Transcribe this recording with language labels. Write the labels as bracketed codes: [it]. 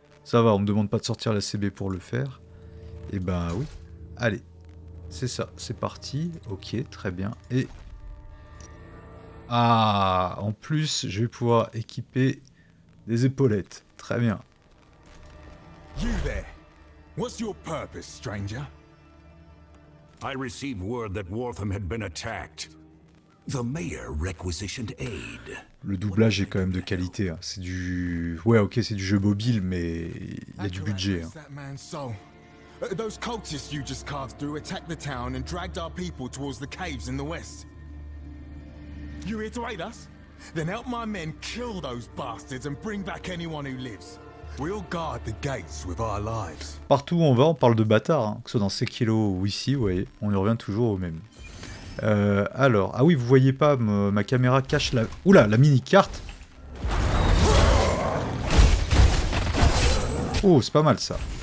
[fr] Ça va, on me demande pas de sortir la CB pour le faire. Eh ben oui. Allez. C'est ça, c'est parti. Ok, très bien. Et... Ah! En plus, je vais pouvoir équiper des épaulettes. Très bien. [en] You there. What's your purpose, stranger? I received word that Wortham had been attacked. The mayor requisitioned aid. [fr] Le doublage est quand même de qualité. Hein. C'est du... Ouais, ok, c'est du jeu mobile, mais il y a du budget. Hein. [en] Those cultists you just carved through attacked the town and dragged our people towards the caves in the west. You here to aid us? Then help my men kill those bastards and bring back anyone who lives. We'll guard the gates with our lives. [fr] Partout où on va, on parle de bâtards, hein. Que ce soit dans Sekiro ou ici, vous voyez, on y revient toujours au même. Alors, ah oui, vous voyez pas, ma caméra cache la... Oula, la mini-carte! Oh, c'est pas mal ça.